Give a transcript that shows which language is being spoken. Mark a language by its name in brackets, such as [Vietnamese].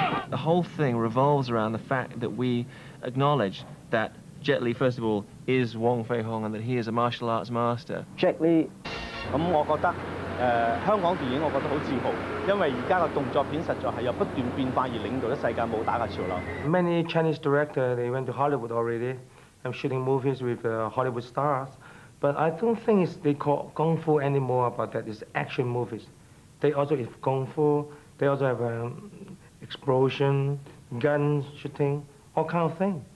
[English] The whole thing revolves around the fact that we acknowledge that Jet Li, first of all, is Wong Fei Hung and that he is a martial arts master. [Cantonese] Jet Li, 我覺得香港電影我覺得好自豪，因為而家嘅動作片實在係有不斷變化而領導咗世界武打嘅潮流。 [English] Many Chinese directors, they went to Hollywood already. I'm shooting movies with Hollywood stars. But I don't think it's, they call Kung Fu anymore about that. It's action movies. They also have Kung Fu. They also have explosion, gun shooting, all kind of thing.